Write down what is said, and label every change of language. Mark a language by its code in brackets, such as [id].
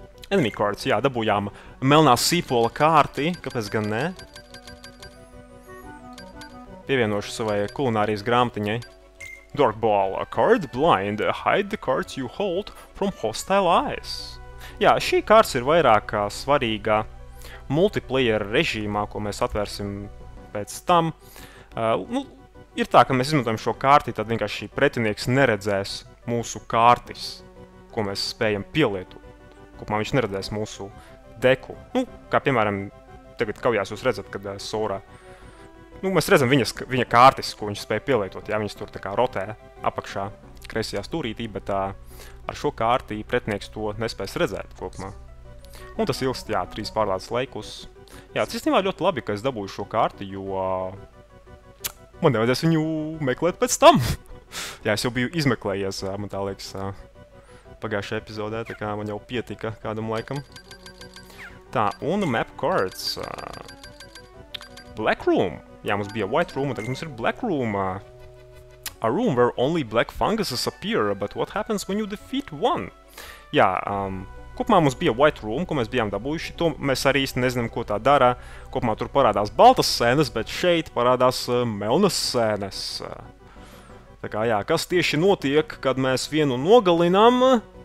[lv] Enemy cards, jā, dabūjām melnā sīpola kārti, kāpēc gan nē? Pievienošu savai kulinārijas grāmatiņai. [en] Dark Ball, a card blind, hide the cards you hold from hostile eyes. [lv] Jā, šī kārts ir vairāk svarīga multiplayer režīmā, ko mēs atvērsim pēc tam. Nu, ir tā, ka mēs izmantojam šo kārti, tad vienkārši pretinieks neredzēs mūsu kārtis, ko mēs spējam pielietot. Kopumā viņš neredzēs mūsu deku. Nu, kā piemēram, tagad kaujās jūs redzat, kad Sora... Nu, mēs redzam viņa kārtis, ko viņš spēja pielietot, ja viņas tur tā kā rotē apakšā kreisajā stūrītī, bet tā, ar šo kārtī pretinieks to nespēs redzēt kopumā. Un tas ilgst, jā, trīs pārlādes laikus. Jā, tas īstenībā ļoti labi, ka es dabūju šo kārti, jo man nevajadzēs viņu meklēt pēc tam. Jā, es jau biju izmeklējies, man tā liekas, pagājušajā epizodē, tā kā man jau pietika kādam laikam. Tā, un map cards. Black room. Jā, mums bija white room, un tagad mums ir black room. [en] A room where only black funguses appear, but what happens when you defeat one? [lv] Jā, kopumā mums bija white room, ko mēs bijām dabūjuši. To mēs arī īsti nezinām, ko tā dara. Kopumā tur parādās baltas sēnes, bet šeit parādās melnas sēnes. Tā kā, jā, kas tieši notiek, kad mēs vienu nogalinām?